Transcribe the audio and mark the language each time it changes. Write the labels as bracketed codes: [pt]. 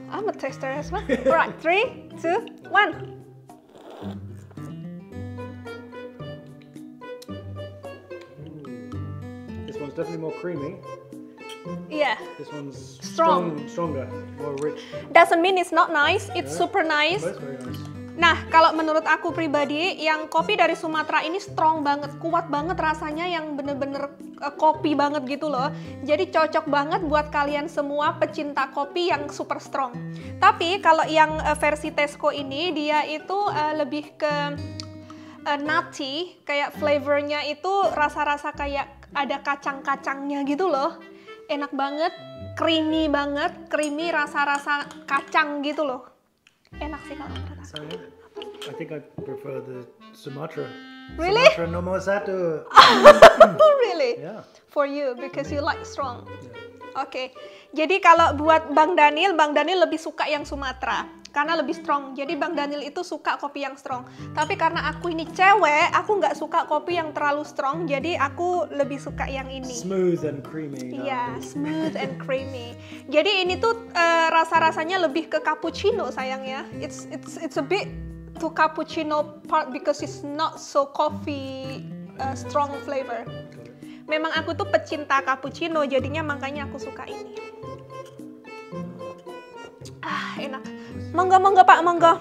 [en] I'm a taster as well. Alright, 3, 2, 1. This one's definitely more creamy. Yeah. This one's stronger, more rich. Doesn't mean it's not nice, it's super nice. Both very nice. [id] Nah, kalau menurut aku pribadi, yang kopi dari Sumatera ini strong banget, kuat banget rasanya, yang bener-bener kopi banget gitu loh. Jadi cocok banget buat kalian semua pecinta kopi yang super strong. Tapi kalau yang versi Tesco ini, dia itu lebih ke nutty, kayak flavornya itu rasa-rasa kayak ada kacang-kacangnya gitu loh. Enak banget, creamy rasa-rasa kacang gitu loh. Enak sih kalau menurut aku. [en] I think I prefer the Sumatra. Really? [id] Sumatra nomor satu. [en] Really? Yeah. For you, because you like strong. Yeah. [id] Okay. Jadi kalau buat Bang Daniel lebih suka yang Sumatra. Karena lebih strong. Jadi Bang Daniel itu suka kopi yang strong. Tapi karena aku ini cewek, aku nggak suka kopi yang terlalu strong. Jadi aku lebih suka yang ini. [en] Smooth and creamy. Iya, smooth and creamy. [id] Jadi ini tuh rasa-rasanya lebih ke cappuccino, sayangnya. [en] It's a bit to cappuccino part because it's not so coffee strong flavor. [id] Memang aku tuh pecinta cappuccino, jadinya makanya aku suka ini. Ah, enak. Monggo, Pak, monggo.